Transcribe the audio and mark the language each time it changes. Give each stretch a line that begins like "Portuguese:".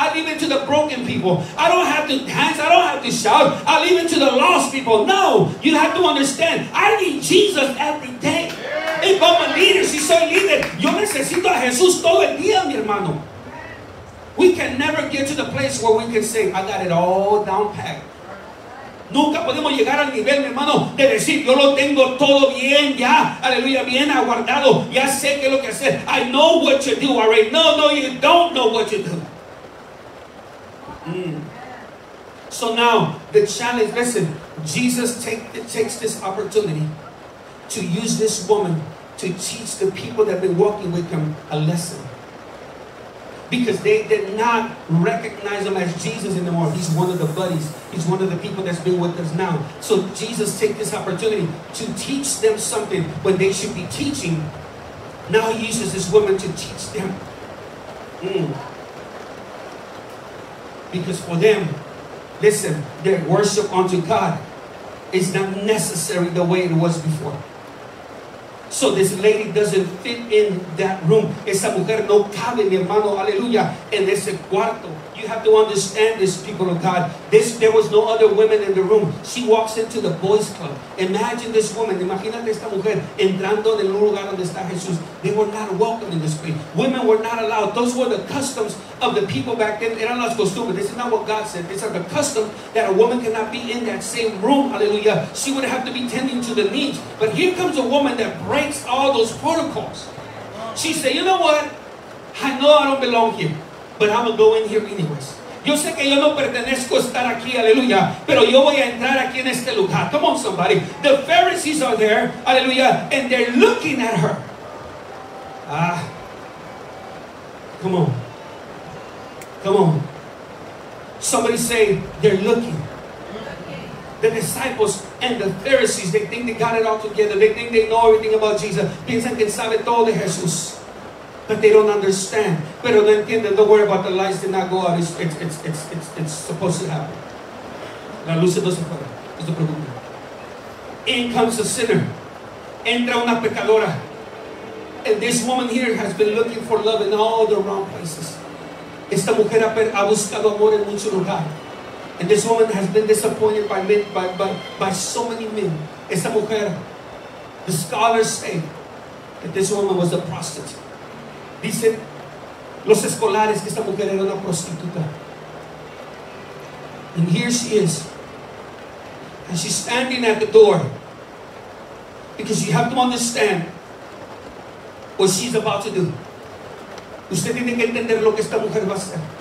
English: I leave it to the broken people. I don't have to dance. I don't have to shout. I leave it to the lost people. No, you have to understand, I need Jesus every day. If I'm a leader,
Spanish: si soy líder, yo necesito a Jesús todo el día, mi hermano.
English: We can never get to the place where we can say, I got it all down pat.
Spanish: Nunca podemos llegar al nivel, mi hermano, de decir, yo lo tengo todo bien ya. Aleluya, bien aguardado. Ya sé qué es lo que hacer.
English: I know what to do already. No, no, you don't know what to do. So now, the challenge, listen, Jesus takes this opportunity to use this woman to teach the people that have been walking with him a lesson. Because they did not recognize him as Jesus anymore. He's one of the buddies. He's one of the people that's been with us now. So Jesus takes this opportunity to teach them something when they should be teaching. Now he uses this woman to teach them. Because for them, listen, their worship unto God is not necessary the way it was before. So this lady doesn't fit in that room.
Spanish: Esa mujer no cabe, mi hermano, aleluya, en ese cuarto.
English: You have to understand this, people of God. There was no other women in the room. She walks into the boys' club. Imagine this woman.
Spanish: Imagínate esta mujer entrando en el lugar donde está Jesús.
English: They were not welcome in this place. Women were not allowed. Those were the customs of the people back then.
Spanish: Eran las costumbres.
English: This is not what God said. These are the customs that a woman cannot be in that same room. Hallelujah. She would have to be tending to the needs. But here comes a woman that breaks all those protocols. She said, you know what? I know I don't belong here. But I'm going to go in here anyways.
Spanish: Yo sé que yo no pertenezco a estar aquí, aleluya. Pero yo voy a entrar aquí en este lugar.
English: Come on, somebody. The Pharisees are there, aleluya. And they're looking at her. Come on. Come on. Somebody say, they're looking. The disciples and the Pharisees, they think they got it all together. They think they know everything about Jesus.
Spanish: Piensan que sabe todo de Jesús.
English: But they don't understand.
Spanish: Pero no entienden.
English: Don't worry about the lights did not go out. It's supposed to happen.
Spanish: La luz no se fue. Es la pregunta.
English: In comes a sinner.
Spanish: Entra una pecadora.
English: And this woman here has been looking for love in all the wrong places.
Spanish: Esta mujer ha buscado amor en muchos lugares.
English: And this woman has been disappointed by men, by so many men.
Spanish: Esa mujer,
English: the scholars say that this woman was a prostitute.
Spanish: Dicen los escolares que esta mujer era una prostituta.
English: And here she is. And she's standing at the door. Because you have to understand what she's about to do.
Spanish: Usted tiene que entender lo que esta mujer va a hacer.